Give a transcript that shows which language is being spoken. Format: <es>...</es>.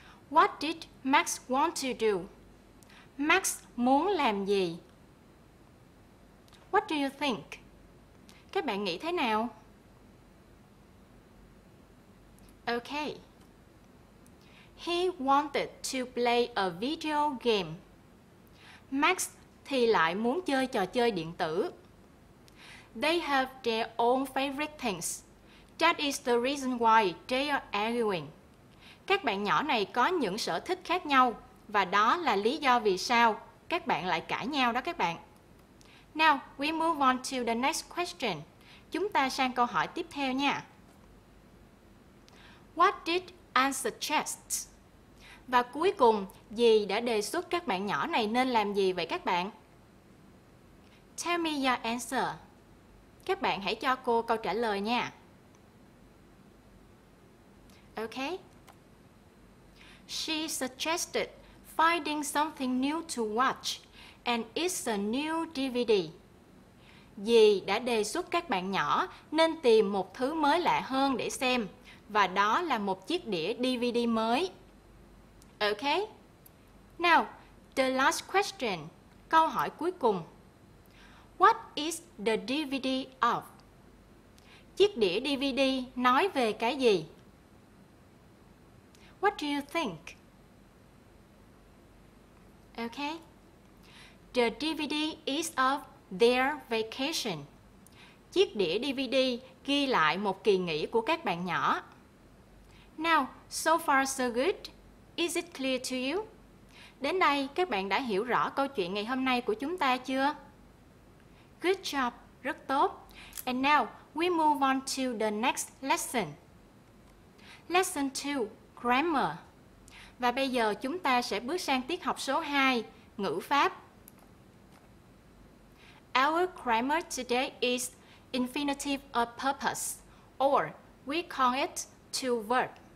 <en>What did Max want to do?</en> <vi>Max muốn làm gì?</vi> <en>What do you think?</en> <vi>Các bạn nghĩ thế nào?</vi> <en>Okay. He wanted to play a video game.</en> <vi>Max thì lại muốn chơi trò chơi điện tử.</vi> <en>They have their own favorite things. That is the reason why they are arguing.</en> <vi>Các bạn nhỏ này có những sở thích khác nhau và đó là lý do vì sao các bạn lại cãi nhau đó các bạn.</vi> <en>Now, we move on to the next question.</en> <vi>Chúng ta sang câu hỏi tiếp theo nha.</vi> <en>What did Anne suggest?</en> <vi>Và cuối cùng, dì đã đề xuất các bạn nhỏ này nên làm gì vậy các bạn?</vi> <en>Tell me your answer.</en> <vi>Các bạn hãy cho cô câu trả lời nha.</vi> <en>Okay. She suggested finding something new to watch, and it's a new DVD.</en> <vi>Dì đã đề xuất các bạn nhỏ nên tìm một thứ mới lạ hơn để xem, và đó là một chiếc đĩa DVD mới.</vi> <en>Okay. Now, the last question.</en> <vi>Câu hỏi cuối cùng.</vi> <en>What is the DVD of?</en> <vi>Chiếc đĩa DVD nói về cái gì?</vi> <en>What do you think? Okay. The DVD is of their vacation.</en> <vi>Chiếc đĩa DVD ghi lại một kỳ nghỉ của các bạn nhỏ.</vi> <en>Now, so far so good. Is it clear to you?</en> <vi>Đến đây, các bạn đã hiểu rõ câu chuyện ngày hôm nay của chúng ta chưa?</vi> <en>Good job.</en> <vi>Rất tốt.</vi> <en>And now, we move on to the next lesson. Lesson 2. Grammar.</en> <vi>Và bây giờ chúng ta sẽ bước sang tiết học số 2, ngữ pháp.</vi> <en>Our grammar today is infinitive of purpose, or we call it to verb.</en>